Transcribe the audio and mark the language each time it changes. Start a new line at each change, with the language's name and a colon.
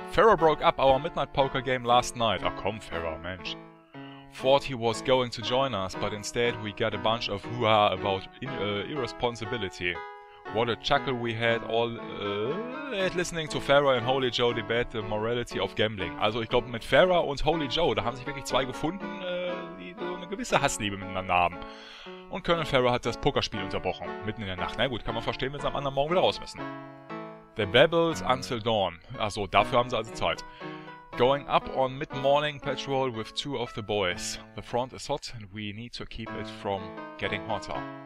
English: Pharaoh broke up our midnight poker game last night.
German: Ach komm, Pharaoh, Mensch.
English: Thought he was going to join us, but instead we got a bunch of hoo-ha about irresponsibility. What a chuckle we had all at listening to Pharaoh and Holy Joe debate the morality of gambling.
German: Also ich glaube, mit Pharaoh und Holy Joe, da haben sich wirklich zwei gefunden, die so eine gewisse Hassliebe miteinander haben. Und Colonel Pharaoh hat das Pokerspiel unterbrochen, mitten in der Nacht. Na gut, kann man verstehen, wenn sie am anderen Morgen wieder raus müssen.
English: The Babbles Until Dawn.
German: Achso, dafür haben sie also Zeit.
English: Going up on mid-morning patrol with two of the boys. The front is hot and we need to keep it from getting hotter.